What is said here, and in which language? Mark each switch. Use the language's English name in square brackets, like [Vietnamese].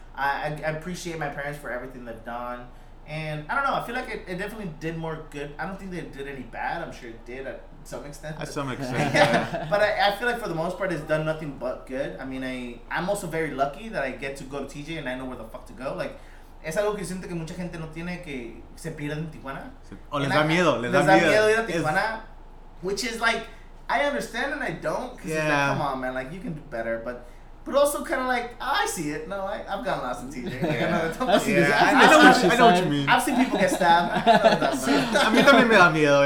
[English] I appreciate my parents for everything they've done. And I don't know, I feel like it definitely did more good. I don't think they did any bad. I'm sure it did at some extent. But I feel like for the most part, it's done nothing but good. I mean, I'm also very lucky that I get to go to TJ and I know where the fuck to go. [Spanish] Like, es algo que siento que mucha gente no tiene, que se pierden en Tijuana. O les da miedo. Les da miedo ir a Tijuana. [English] Which is like, I understand and I don't. Because it's like, come on, man. Like, you can do better. But But also kind of like, oh, I see it. No, I've gotten lost in TJ. I know what you mean. I've seen people get stabbed. [Spanish] A mí también me da miedo.